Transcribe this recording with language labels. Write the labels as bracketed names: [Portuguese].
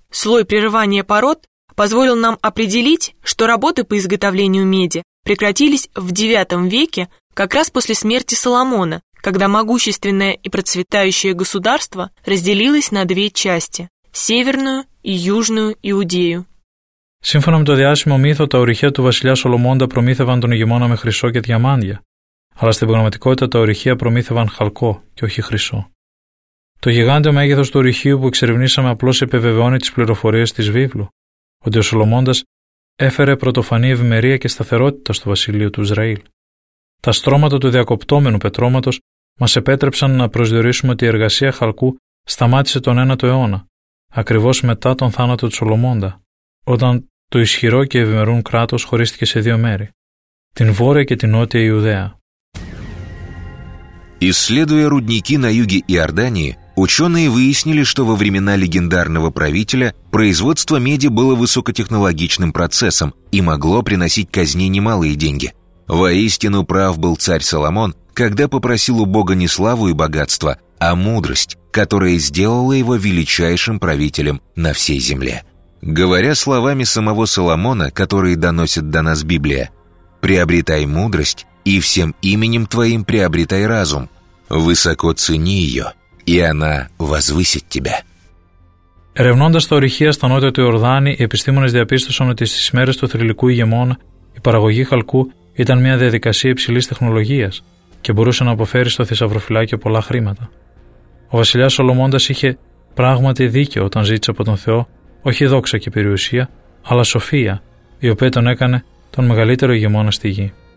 [Russian] Слой прерывания пород позволил нам определить, что работы по изготовлению меди прекратились в IX веке, как раз после смерти Соломона, когда могущественное и процветающее государство разделилось на две части – северную и южную Иудею. [Greek] Σύμφωνα με το διάσημο μύθο, τα ορυχεία του βασιλιά Σολομώντα προμήθευαν τον ηγεμόνα με χρυσό και διαμάντια, αλλά στην πραγματικότητα τα ορυχεία προμήθευαν χαλκό και όχι χρυσό. Το γιγάντιο μέγεθος του ορυχείου που εξερευνήσαμε απλώς επιβεβαιώνει τις πληροφορίες της Βίβλου, ότι ο Σολομώντας έφερε πρωτοφανή ευημερία και σταθερότητα στο βασιλείο του Ισραήλ. Τα στρώματα του διακοπτόμενου πετρώματος μας επέτρεψαν να προσδιορίσουμε ότι η εργασία χαλκού σταμάτησε τον 9ο αιώνα, ακριβώς μετά τον θάνατο του Σολομώντα, όταν το ισχυρό και ευημερούν κράτος χωρίστηκε σε δύο μέρη, την Βόρεια και την Νότια Ιουδαία. [Russian] Исследуя рудники на юге Иордании, ученые выяснили, что во времена легендарного правителя производство меди было высокотехнологичным процессом и могло приносить казне немалые деньги. Воистину прав был царь Соломон, когда попросил у Бога не славу и богатство, а мудрость, которая сделала его величайшим правителем на всей земле. Говоря словами самого Соломона, которые доносит до нас Библия, «Приобретай мудрость, и всем именем твоим приобретай разум. Высоко цени ее, и она возвысит тебя». [Greek] Ερευνώντας τα ορυχεία στα νότια του Ιορδάνη, οι επιστήμονες διαπίστωσαν ότι στις μέρες του θρυλικού ηγεμόνα η παραγωγή χαλκού ήταν μια διαδικασία υψηλής τεχνολογίας και μπορούσε να αποφέρει στο θησαυροφυλάκιο πολλά χρήματα. Ο βασιλιάς Σολομώντας είχε πράγματι δίκιο όταν ζήτησε από τον Θεό όχι δόξα και περιουσία, αλλά σοφία, η οποία τον έκανε τον μεγαλύτερο ηγεμόνα στη γη.